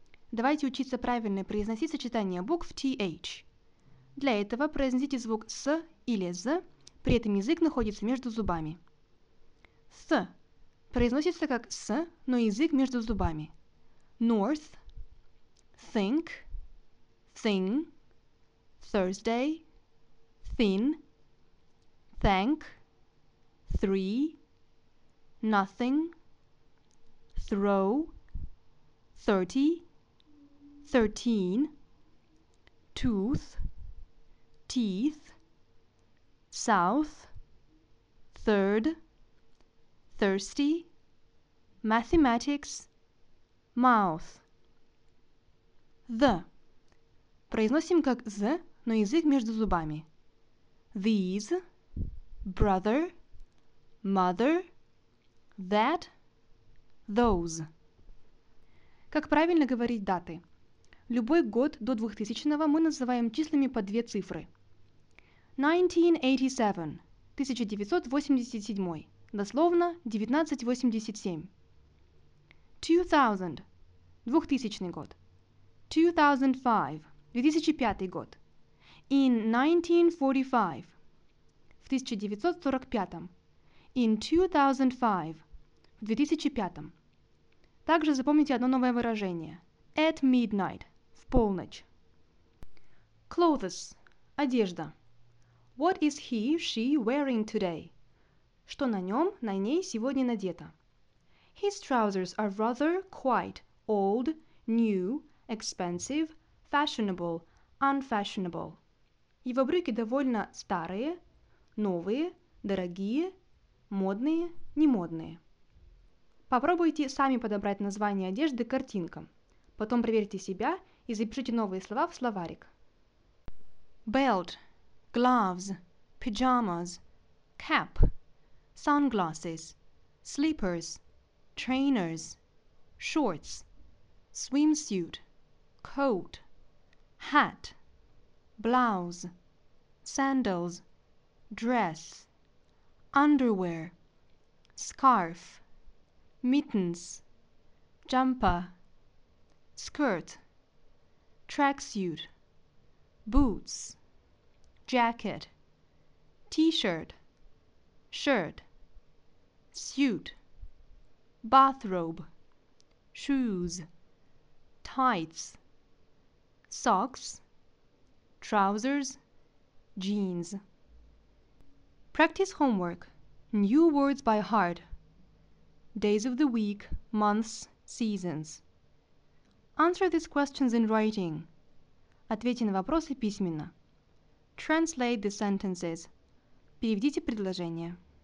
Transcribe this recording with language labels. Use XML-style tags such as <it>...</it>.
<ru>Давайте учиться правильно произносить сочетание букв TH. Для этого произнесите звук С или З, при этом язык находится между зубами. С произносится как С, но язык между зубами.</ru> <en>North, think, thing, Thursday, thin, thank, three, nothing, throw, 30, 13, tooth, teeth, south, third, thirsty, mathematics, mouth. The.</en> <ru>Произносим как З, но язык между зубами.</ru> <en>These, brother, mother, that, those.</en> <ru>Как правильно говорить даты? Любой год до 2000-го мы называем числами по две цифры. 1987 – 1987, дословно 1987. 2000 – 2000 год. 2005 – 2005 год.</ru> <en>In 1945 –</en> <ru>в 1945.</ru> <en>In 2005 –</en> <ru>в 2005. Также запомните одно новое выражение.</ru> <en>At midnight</en> <ru>– в полночь. Clothes – одежда.</ru> <en>What is he, she wearing today?</en> <ru>Что на нем, на ней сегодня надето?</ru> <en>His trousers are rather quite old, new, expensive, fashionable, unfashionable.</en> <ru>Его брюки довольно старые, новые, дорогие, модные, немодные. Попробуйте сами подобрать название одежды картинкам. Потом проверьте себя и запишите новые слова в словарик.</ru> <en>Belt, gloves, pajamas, cap, sunglasses, slippers, trainers, shorts, swimsuit, coat, hat, blouse, sandals, dress, underwear, scarf, mittens, jumper, skirt, tracksuit, boots, jacket, t-shirt, shirt, suit, bathrobe, shoes, tights, socks, trousers, jeans. Practice homework. New words by heart. Days of the week, months, seasons. Answer these questions in writing.</en> <ru>Ответьте на вопросы письменно.</ru> <en>Translate the sentences.</en> <ru>Переведите предложения.</ru>